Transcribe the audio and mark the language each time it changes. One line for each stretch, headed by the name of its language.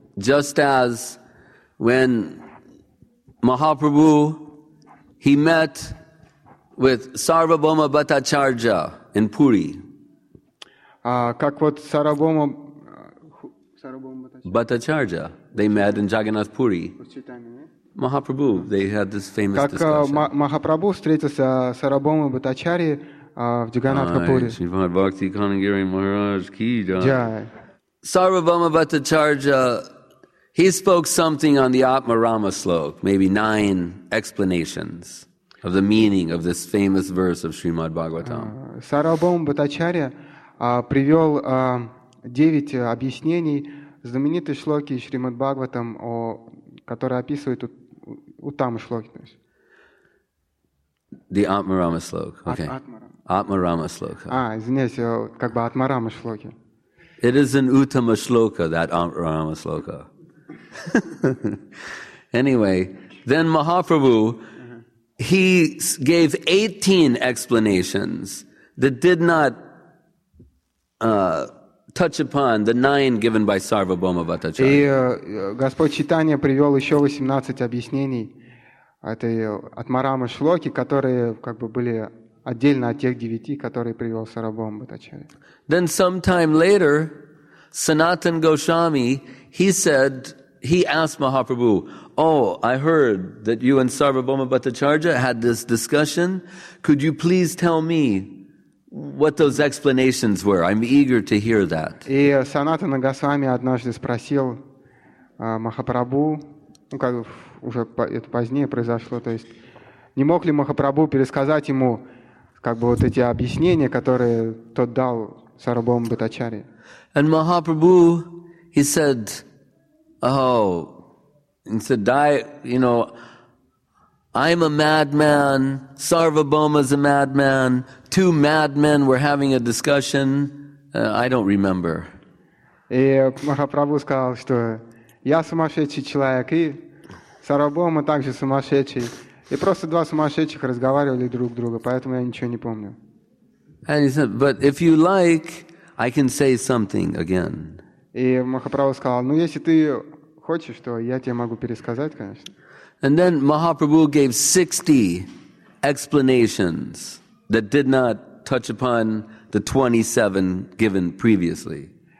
English: Just as when Mahaprabhu he met with Sarvabhauma Bhattacharya in Puri.
Russian: Как вот Сарвабхаума
English: Bhattacharya, they met in Jagannath Puri. Mahaprabhu, they had this famous discussion.
Russian: Как Махапрабху встретился с Сарвабхаумой Бхаттачарьей в Джаганатхапуре. Шримад Бхакти Канагири Махарадж Ки Джай.
English: Сарвабхаума Бхаттачарья, he spoke something on the Atmarama slok, maybe 9 explanations of the meaning of this famous verse of Shrimad Bhagavatam.
Russian: Сарвабхаума Бхаттачарья привел 9 объяснений знаменитой шлоки Шримад Бхагаватам, которая описывает Уттама шлоки.
English: The Atmarama slok. Okay. Atmarama slok.
Russian: Извиняюсь, как бы Атмарама шлоки.
English: It is an Uttama shloka, that Atmarama shloka. Anyway, then Mahaprabhu, he gave 18 explanations that did not touch upon the 9 given by Sarvabhauma Bhattacharya.
Russian: И Господь Чайтанья привел еще 18 объяснений этой Атмарама шлоки, которые как бы были отдельно от тех 9, которые привел Сарвабхаума Бхаттачарья.
English: Then sometime later, Sanatan Goswami, he said, he asked Mahaprabhu, "Oh, I heard that you and Sarvabhauma Bhattacharya had this discussion. Could you please tell me what those explanations were? I'm eager to hear that."
Russian: И Санатана Госвами однажды спросил Махапрабху, ну как уже это позднее произошло, то есть не мог ли Махапрабху пересказать ему как бы вот эти объяснения, которые тот дал Сарвабхаума Бхаттачарье.
English: And Mahaprabhu, he said, "Oh," and said, "I, you know, I'm a madman. Sarvabhauma's a madman. Two madmen were having a discussion. I don't remember."
Russian: И Махапрабху сказал, что я сумасшедший человек, и Сарвабхаума также сумасшедший. И просто два сумасшедших разговаривали друг с другом, поэтому я ничего не помню.
English: And he said, "But if you like, I can say something again."
Russian: И Махапрабху сказал, "Ну если ты хочешь, то я тебе могу пересказать, конечно."
English: And then Mahaprabhu gave 60 explanations that did not touch upon the 27 given previously.